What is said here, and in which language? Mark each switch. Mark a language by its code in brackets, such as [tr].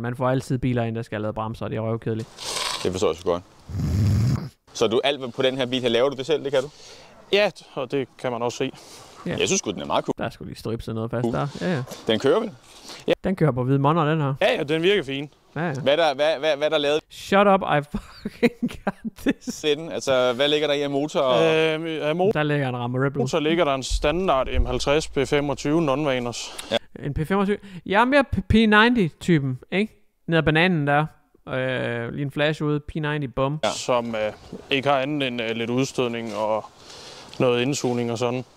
[da] Man får altid biler ind, der skal lave bremser, og det er røvkedeligt. Det forstår jeg så godt. Så du alt på den her bil her, laver du det selv, det kan du? Ja, og det kan man også se. Ja. Jeg synes godt den er meget cool. Der skulle lige stribe sig noget fast der. Ja, ja. Den kører vel? Ja. Den kører på hvide monner, den her. Ja, ja, den virker fin. Ja, ja. Hvad der lavet? [en] Shut up, I fucking got this. [da] Den, altså, hvad ligger der i motor? Der ligger en Rammer Rebel. Så ligger der en standard M50 P25 non-vaners. Ja. En P25? Jeg er mere P90-typen, ikke? Ned af bananen der. Lige en flash ude. P90, bum. Ja. Som ikke har andet end lidt udstødning og noget indsugning og sådan.